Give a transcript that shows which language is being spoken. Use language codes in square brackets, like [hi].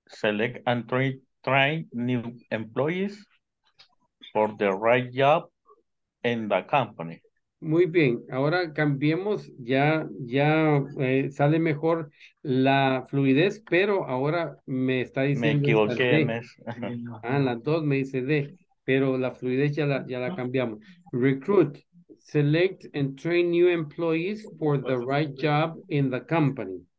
[en] Select and train new employees for the right job in the company. [es] Muy bien, ahora cambiemos, ya sale mejor la fluidez, pero ahora me está diciendo... Me equivoqué. Las dos me dice D, pero la fluidez ya la cambiamos. [en] Recruit, select and train new employees for the right job in the company.